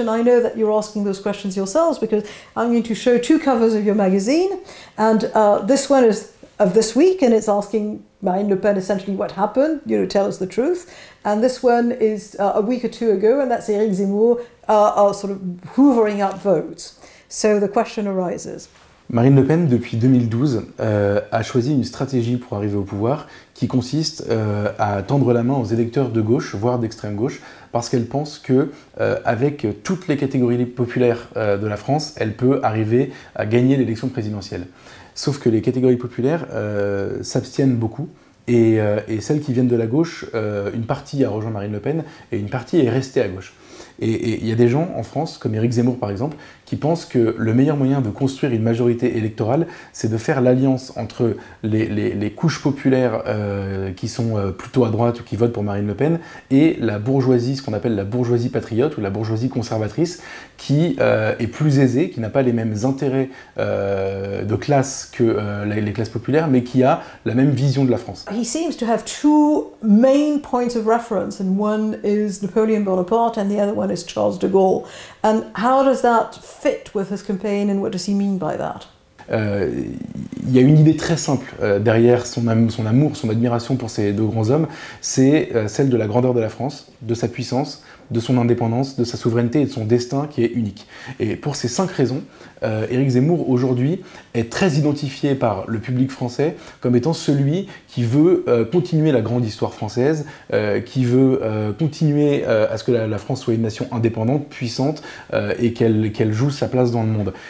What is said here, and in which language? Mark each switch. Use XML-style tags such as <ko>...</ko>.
<en>And I know that you're asking those questions yourselves, because I'm going to show 2 covers of your magazine, and this one is of this week, and it's asking Marine Le Pen essentially what happened, you know, tell us the truth. And this one is a week or two ago, and that's Éric Zemmour sort of hoovering up votes. So the question arises.</en> <fr>Marine Le Pen, depuis 2012, a choisi une stratégie pour arriver au pouvoir qui consiste à tendre la main aux électeurs de gauche, voire d'extrême gauche, parce qu'elle pense que, avec toutes les catégories populaires de la France, elle peut arriver à gagner l'élection présidentielle. Sauf que les catégories populaires s'abstiennent beaucoup, et celles qui viennent de la gauche, une partie a rejoint Marine Le Pen, et une partie est restée à gauche. Et il y a des gens en France, comme Éric Zemmour par exemple, qui pensent que le meilleur moyen de construire une majorité électorale, c'est de faire l'alliance entre les couches populaires qui sont plutôt à droite ou qui votent pour Marine Le Pen, et la bourgeoisie, ce qu'on appelle la bourgeoisie patriote ou la bourgeoisie conservatrice, qui est plus aisée, qui n'a pas les mêmes intérêts de classe que les classes populaires, mais qui a la même vision de la France.</fr> <en>He seems to have 2 main points of reference, and one is Napoleon Bonaparte, and the other one is Charles de Gaulle. And how does that fit with his campaign, and what does he mean by that?</en> <fr>Il y a une idée très simple derrière son amour, son admiration pour ces deux grands hommes, c'est celle de la grandeur de la France, de sa puissance, de son indépendance, de sa souveraineté et de son destin qui est unique. Et pour ces 5 raisons, Éric Zemmour aujourd'hui est très identifié par le public français comme étant celui qui veut continuer la grande histoire française, qui veut continuer à ce que la France soit une nation indépendante, puissante, et qu'elle joue sa place dans le monde.</fr>